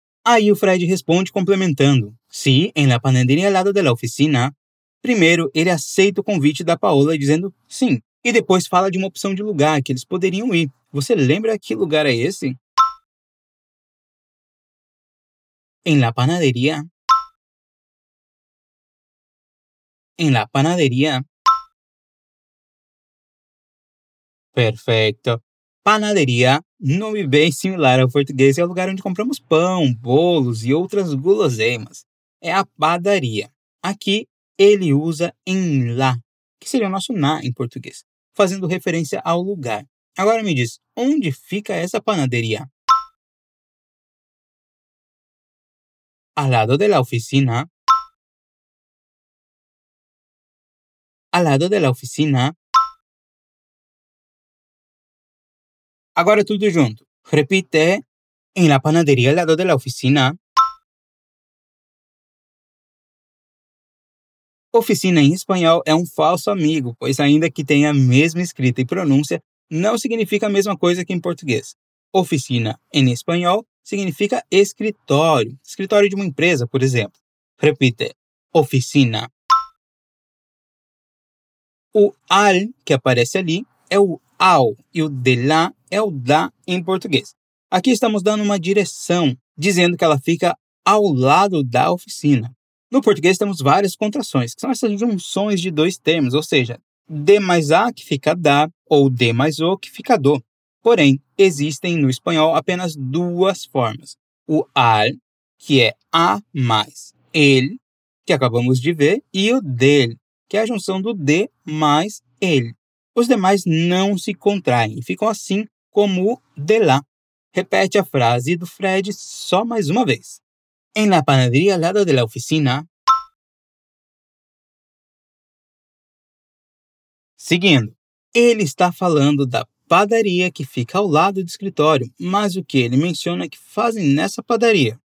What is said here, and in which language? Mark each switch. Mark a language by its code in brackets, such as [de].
[pt] Aí o Fred responde complementando, [es] sí, en la panadería al lado de la oficina. [pt] Primeiro, ele aceita o convite da Paola dizendo sim, e depois fala de uma opção de lugar que eles poderiam ir. Você lembra que lugar é esse? [es] En la panadería. En la panadería. Perfecto. Panadería. [pt] Nome bem similar ao português, é o lugar onde compramos pão, bolos e outras guloseimas. É a padaria. Aqui, ele usa em lá, que seria o nosso na em português, fazendo referência ao lugar. Agora me diz, onde fica essa panaderia? [es] Al lado de la oficina. Al lado de la oficina. [pt] Agora tudo junto. [es] Repite. En la panadería al lado de la oficina. [pt] Oficina em espanhol é um falso amigo, pois ainda que tenha a mesma escrita e pronúncia, não significa a mesma coisa que em português. Oficina em espanhol significa escritório, escritório de uma empresa, por exemplo. [es] Repite, oficina. [pt] O al que aparece ali é o ao e o de lá é o da em português. Aqui estamos dando uma direção, dizendo que ela fica ao lado da oficina. No português temos várias contrações, que são essas junções de dois termos, ou seja, de mais a que fica da ou de mais o que fica do. Porém, existem no espanhol apenas duas formas. O al, que é a mais el, que acabamos de ver, e o del, que é a junção do de mais el. Os demais não se contraem e ficam assim como o de lá. Repete a frase do Fred só mais uma vez. [es] En la panadería al lado de la oficina. [pt] Seguindo. Ele está falando da padaria que fica ao lado do escritório, mas o que ele menciona é que fazem nessa padaria?